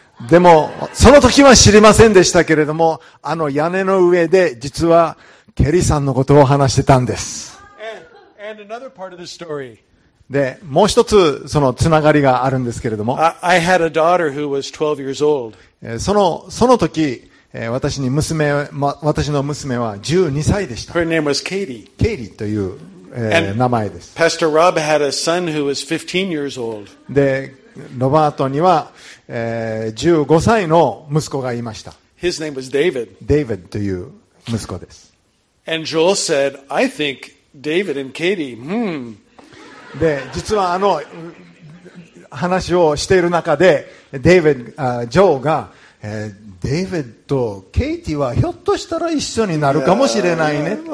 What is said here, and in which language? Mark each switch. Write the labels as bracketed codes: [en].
[ja] でもその時は知りませんでしたけれども、あの屋根の上で実はケリーさんのことを話してたんです。 [en] and another part of the story. [ja] でもう一つそのつながりがあるんですけれども、 [en] I had a daughter who was 12 years old. [ja] その時私に娘、私の娘は12歳でした。 [en] Her name was Katie. [ja] ケイリーという名前です。 [en] And Pastor Rob had a son who was 15 years old. [ja] でロバートには、15歳の息子がいました。 [en] His name was David. [ja] デイビッドという息子です。 [en] And Joel said, I think David and Katie, [ja] で実はあの話をしている中でジョーが、デイビッドとケイティはひょっとしたら一緒になるかもしれないね。